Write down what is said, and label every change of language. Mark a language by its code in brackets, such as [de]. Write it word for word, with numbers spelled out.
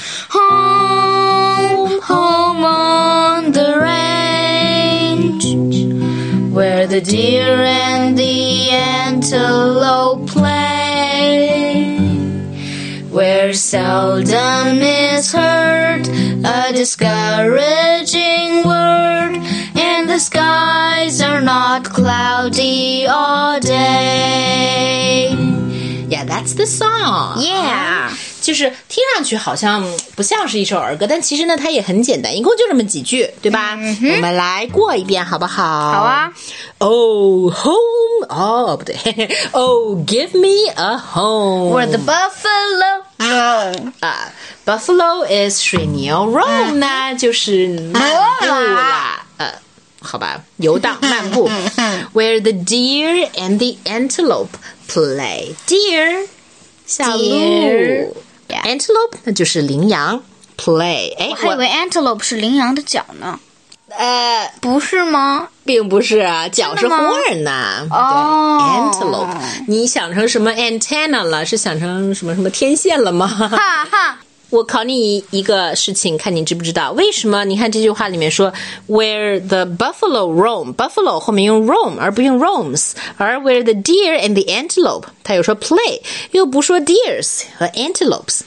[en] Home, home on the range, where the deer and the antelope play, where seldom is heard a discouraging word, and the skies are not cloudy all day. Yeah, that's the song. Yeah. [zh] 就是听上去好像不像是一首儿歌，但其实呢，它也很简单，一共就这么几句，对吧？嗯、我们来过一遍，好不好？好啊。 [en] Oh, home. [zh] 哦，不对。 [en] Oh, give me a home. Where the buffalo roam. [zh] 啊 ，buffalo is 水牛 ，roam 呢、嗯、就是漫步啦，呃、啊，好吧，游荡漫步。 [en] Where the deer and the antelope play. [zh] Deer， 小鹿。Yeah. Antelope 那就是羚羊 play 我还以为 antelope 是羚羊的脚呢呃，不是吗？并不是啊，脚是horn呐。哦、 oh. ，antelope， 你想成什么 antenna 了？是想成什么什么天线了吗？哈哈，我考你一个事情，看你知不知道为什么？你看这句话里面说 [en] where the buffalo roam， [zh] buffalo 后面用 roam 而不用 roams， 而 [en] where the deer and the antelope， [zh] 它有说 play 又不说 deers 和 antelopes。